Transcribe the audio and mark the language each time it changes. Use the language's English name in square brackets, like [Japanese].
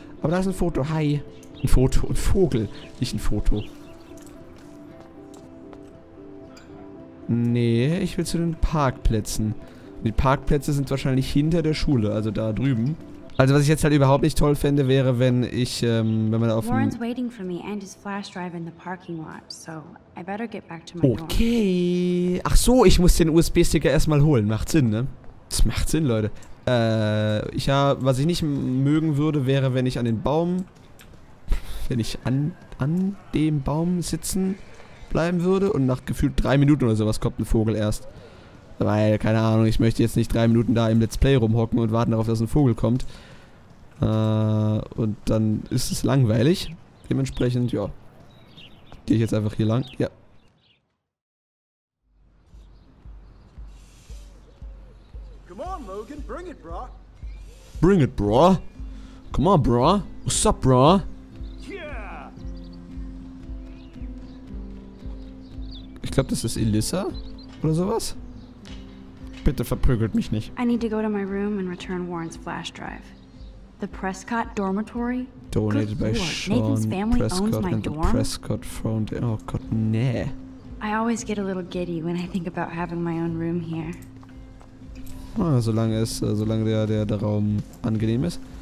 [German] Aber da ist ein Foto, hi. Ein Foto, ein Vogel, nicht ein Foto. Nee, ich will zu den Parkplätzen. Die Parkplätze sind wahrscheinlich hinter der Schule, also da drüben. Also was ich jetzt halt überhaupt nicht toll fände, wäre, wenn ich, wenn man da auf dem... [English] Warren's waiting for me and his flash drive in the parking lot, so I better get back to my dorm. Okay. [German] Ach so, ich muss den USB-Sticker erstmal holen. Macht Sinn, ne? Das macht Sinn, Leute. Was ich nicht mögen würde, wäre, wenn ich an den Baum... Wenn ich an dem Baum sitzen bleiben würde und nach gefühlt 3 Minuten oder sowas kommt ein Vogel erst. Weil, keine Ahnung, ich möchte jetzt nicht 3 Minuten da im Let's Play rumhocken und warten darauf, dass ein Vogel kommt. Und dann ist es langweilig. Dementsprechend, ja. Gehe ich jetzt einfach hier lang. Ja. [English] Come on, Logan, bring it, Brock. Bring it, bro. Come on, bro. What's up, bro? [German] Ich glaube, das ist Elissa oder sowas. Bitte verprügelt mich nicht. [English] I need to go to my room and return Warren's flash drive. The Prescott dormitory? Donated by Sean Prescott and the Prescott Foundation. [German] Oh Gott, nee. [English] I always get a little giddy when I think about having my own room here. [German] Ah, solange der Raum angenehm ist.